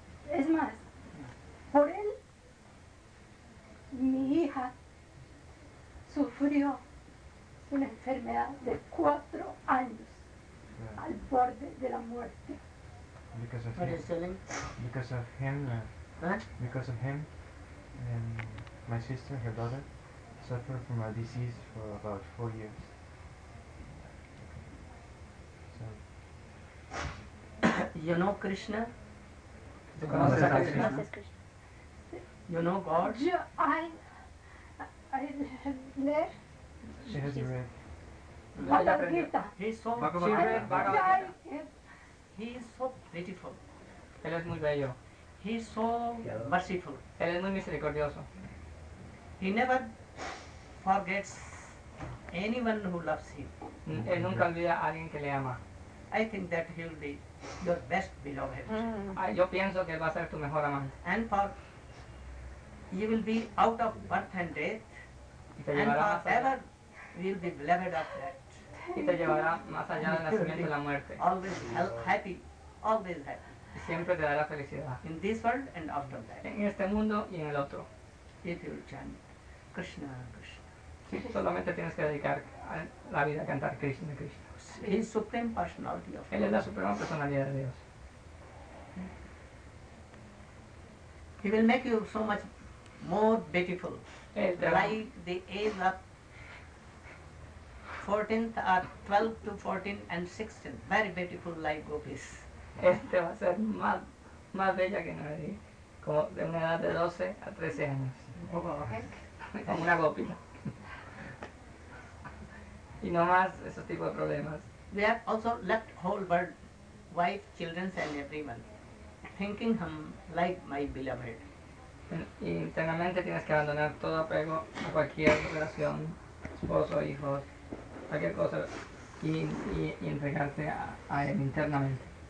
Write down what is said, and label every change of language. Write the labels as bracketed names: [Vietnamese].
[Spanish] Es más, por él, mi hija sufrió una enfermedad de 4 años al borde de la muerte. [English] Because of him, and my sister, her daughter, suffered from a disease for about 4 years. So. You know Krishna? Krishna. You know God? I read. She has read. Bhagavad Gita. He is so beautiful. [Spanish] Él es muy bello. [English] He is so merciful. [Spanish] Él es muy misericordioso. [English] He never forgets anyone who loves him. [Spanish] Él nunca olvida a alguien que le ama. [English] I think that he will be your best beloved. [Spanish] Yo pienso que va a ser tu mejor amante. [English] And for you will be out of birth and death, forever will be beloved of that. [Spanish] Y te llevará más allá del nacimiento de la muerte. [English] Always happy, always happy. [Spanish] Y siempre te dará felicidad. [English] In this world and after that. [Spanish] En este mundo y en el otro. [English] If you chant Krishna, Krishna. [Spanish] Sí, solamente tienes que dedicar la vida a cantar Krishna, Krishna. [English] His supreme personality of [Spanish] Él es la suprema personalidad de Dios. [English] He will make you so much more beautiful, like the age of 12 to 14 and 16, very beautiful like gopis. [Spanish] Este va a ser más bella que nadie, como de una edad de 12 a 13 años, como una gopita. Y no más esos tipos de problemas. [English] They have also left whole world, wife, children and everyone, thinking him like my beloved. [Spanish] Y internamente tienes que abandonar todo apego a cualquier relación, esposo, hijos, cualquier cosa, y entregarte a él internamente.